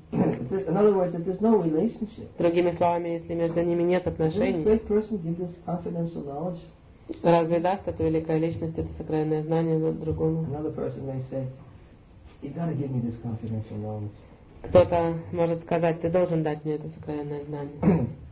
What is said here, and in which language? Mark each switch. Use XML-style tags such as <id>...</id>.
<en>In other words, if there's no relationship.</en> <ru>Другими словами, если между ними нет отношений,</ru> <en>great person give this confidential knowledge?</en> <ru>Разве даст эта великая личность это сокровенное знание другому?</ru> <en>Another person may say, you've got to give me this confidential knowledge.</en> <ru>Кто-то может сказать, ты должен дать мне это сокровенное знание.</ru>